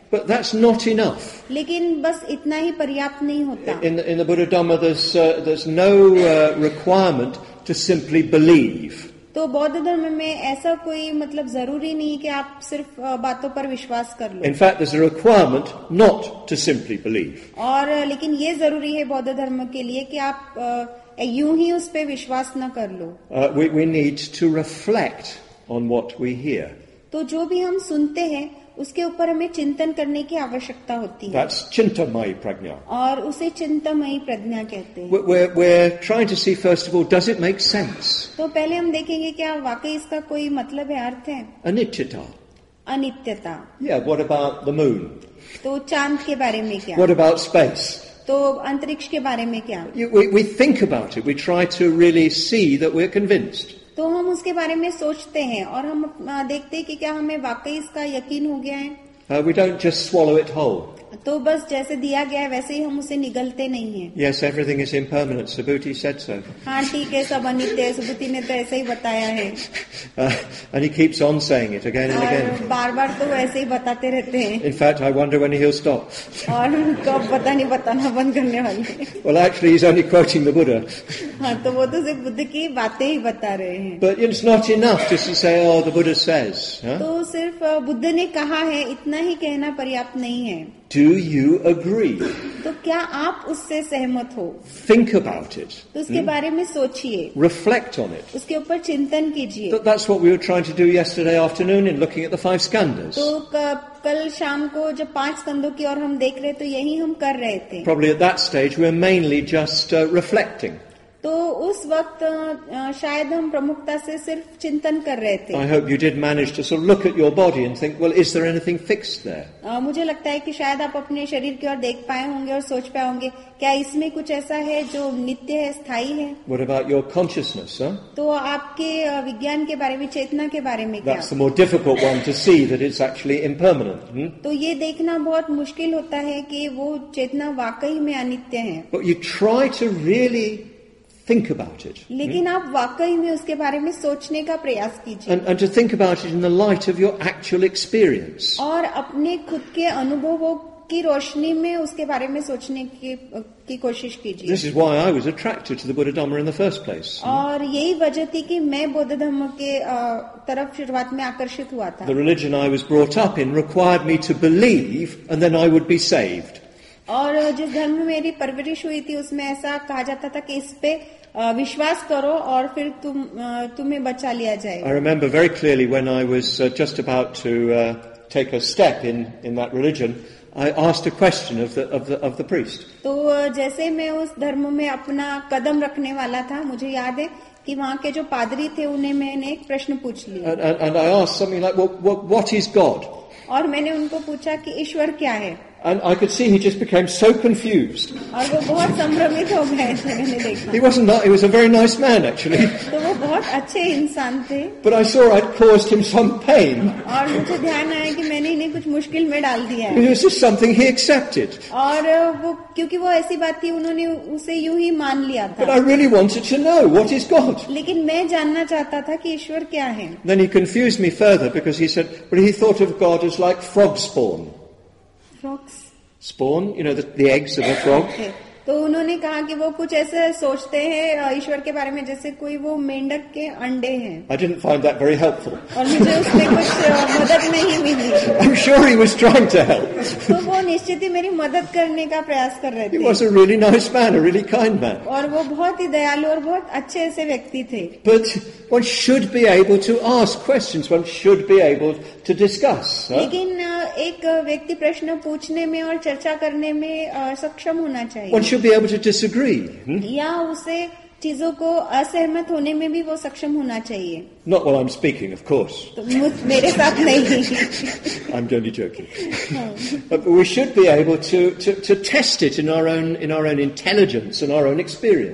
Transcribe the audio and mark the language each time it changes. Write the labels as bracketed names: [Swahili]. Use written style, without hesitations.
[English] But that's not enough. [Hindi] लेकिन बस इतना ही पर्याप्त नहीं होता. [English] In the Buddha Dhamma, there's no requirement to simply believe. [Hindi] तो बौद्ध धर्म में ऐसा कोई मतलब जरूरी नहीं कि आप सिर्फ बातों पर विश्वास कर लो. [English] In fact, there's a requirement not to simply believe. [Hindi] और लेकिन ये जरूरी है बौद्ध धर्म के लिए कि आप यूं ही उस पे विश्वास न कर लो. [English] We need to reflect on what we hear. [Hindi] तो जो भी हम सुनते हैं उसके ऊपर हमें चिंतन करने की आवश्यकता होती है. [English] That's chintamayi prajna. [Hindi] और उसे चिंतामयी प्रज्ञा कहते हैं. [English] We're trying to see first of all, does it make sense? [Hindi] तो पहले हम देखेंगे क्या वाकई इसका कोई मतलब है, अर्थ है. अनित्यता. अनित्यता. [English] Yeah, what about the moon? [Hindi] तो चांद के बारे में क्या? [English] What about space? [Hindi] तो अंतरिक्ष के बारे में क्या? [English] We think about it. We try to really see that we're convinced. [Hindi] तो हम उसके बारे में सोचते हैं और हम देखते हैं कि क्या हमें वाकई इसका यकीन हो गया है. [English] We don't just swallow it whole. [Hindi] तो बस जैसे दिया गया है वैसे ही हम उसे निगलते नहीं है. [English] Yes, everything is impermanent. Subhuti said so. [Hindi] हाँ ठीक है, सब अनित्य है, सुबुति ने तो ऐसे ही बताया है. [English] And he keeps on saying it again and again. [Hindi] बार बार तो ऐसे ही बताते रहते हैं. [English] In fact, I wonder when he'll stop. [Hindi] और कब पता नहीं बताना बंद करने वाले. [English] Well, actually, he's only quoting the Buddha. [Hindi] हाँ, तो वो तो सिर्फ बुद्ध की बातें ही बता रहे हैं. [English] But it's not enough just to say, oh, the Buddha says. [Hindi] तो सिर्फ बुद्ध ने कहा है इतना ही कहना पर्याप्त नहीं है. [English] Do you agree? [Hindi] तो क्या आप उससे सहमत हो? [English] Think about it. [Hindi] तो उसके बारे में सोचिए. [English] Reflect on it. [Hindi] उसके ऊपर चिंतन कीजिए. [English] That's what we were trying to do yesterday afternoon in looking at the five skandhas. [Hindi] तो कल शाम को जब पांच स्कंदों की ओर हम देख रहे तो यही हम कर रहे थे. [English] Probably at that stage we're mainly just reflecting. [Hindi] तो उस वक्त शायद हम प्रमुखता से सिर्फ चिंतन कर रहे थे. [English] I hope you did manage to sort of look at your body and think, well, is there anything fixed there? [Hindi] मुझे लगता है कि शायद आप अपने शरीर की ओर देख पाए होंगे और सोच पाए होंगे क्या इसमें कुछ ऐसा है जो नित्य है, स्थाई है. [English] What about your consciousness, huh? [Hindi] तो आपके विज्ञान के बारे में, चेतना के बारे में क्या? [English] That's the more difficult one to see that it's actually impermanent. [Hindi] तो ये देखना बहुत मुश्किल होता है कि वो चेतना वाकई में अनित्य है. [English] But you try to really think about it. [Hindi] लेकिन आप वाकई में उसके बारे में सोचने का प्रयास कीजिए. [English] And to think about it in the light of your actual experience. [Hindi] और अपने खुद के अनुभवों की रोशनी में उसके बारे में सोचने की कोशिश कीजिए. [English] This is why I was attracted to the Buddha Dhamma in the first place. [Hindi] और यही वजह थी कि मैं बौद्ध धर्म के तरफ शुरुआत में आकर्षित हुआ था. [English] The religion I was brought up in required me to believe and then I would be saved. [Hindi] और जिस धर्म में मेरी परवरिश हुई थी उसमें ऐसा कहा जाता था कि इस पे विश्वास करो और फिर तुम्हें बचा लिया जाएगा. [English] I remember very clearly when I was just about to take a step in that religion, I asked a question of the priest. [Hindi] तो जैसे मैं उस धर्म में अपना कदम रखने वाला था, मुझे याद है कि वहाँ के जो पादरी थे उन्हें मैंने एक प्रश्न पूछ लिया. [English] And I asked something like, what is God? [Hindi] और मैंने उनको पूछा कि ईश्वर क्या है. [English] And I could see he just became so confused. [Hindi] और वो बहुत संभ्रमित हो गए थे मैंने देखा. [English] He wasn't that. He was a very nice man, actually. [Hindi] तो वो बहुत अच्छे इंसान थे. [English] But I saw I'd caused him some pain. [Hindi] और मुझे ध्यान आया कि मैंने इन्हें कुछ मुश्किल में डाल दिया है. [English] It was just something he accepted. [Hindi] और वो क्योंकि वो ऐसी बात थी, उन्होंने उसे यूं ही मान लिया था. [English] But I really wanted to know what is God. [Hindi] लेकिन मैं जानना चाहता था कि ईश्वर क्या है. [English] Then he confused me further because he said, but he thought of God as like frog spawn. Frogs. Spawn, you know, the eggs of a frog. Okay. [Hindi] तो उन्होंने कहा कि वो कुछ ऐसे सोचते हैं ईश्वर के बारे में जैसे कोई वो मेंढक के अंडे हैं। [English] I didn't find that very helpful. [Hindi] और मुझे उसमें कुछ मदद नहीं मिली। [English] I'm sure he was trying to help. [Hindi] तो वो निश्चित ही मेरी मदद करने का प्रयास कर रहे थे। [English] He was a really nice man, a really kind man. [Hindi] और वो बहुत ही दयालु और बहुत अच्छे ऐसे व्यक्ति थे। [English] But one should be able to ask questions. One should be able to discuss. [Hindi] लेकिन एक व्यक्ति प्रश्न पूछने में और चर्चा करने में सक्षम होना चाहिए। [English] One should be able to disagree. [Hindi] या उसे चीजों को असहमत होने में भी वो सक्षम होना चाहिए। [English] Not while I'm speaking, of course. [Hindi] तो मेरे साथ नहीं। [English] I'm only joking. But we should be able to test it in our own intelligence and our own experience.